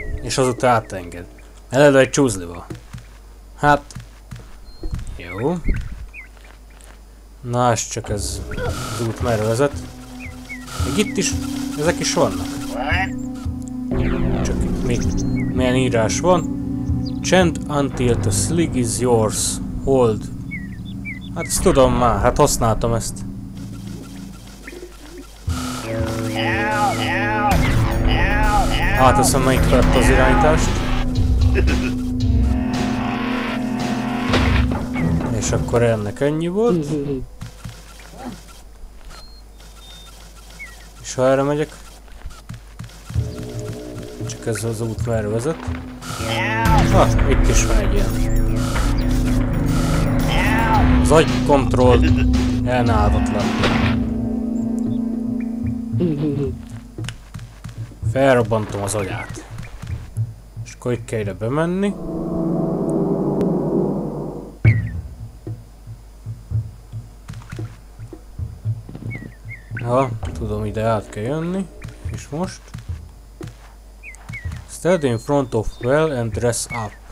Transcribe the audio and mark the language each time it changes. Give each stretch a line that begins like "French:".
Hungarian: És azután átenged. Eled egy csúzlival. Hát... Jó. Na, és csak ez az út merre vezet. Még itt is, ezek is vannak. Csak itt mi, milyen írás van.
English: Chant until the slig is yours. Hold.
Hungarian: Hát ezt tudom már, hát használtam ezt. Hát azt mondom, melyik felett az irányítást. És akkor ennek ennyi volt. És ha erre megyek. Csak ez az út merre vezet. Na, itt is van egy ilyen. Az agykontroll elnállhatatlan. Felrobbantom az agyát. És akkor itt kell ide bemenni. Ha, tudom, ide át kell jönni. És most.
English: Stand in front of well and dress up.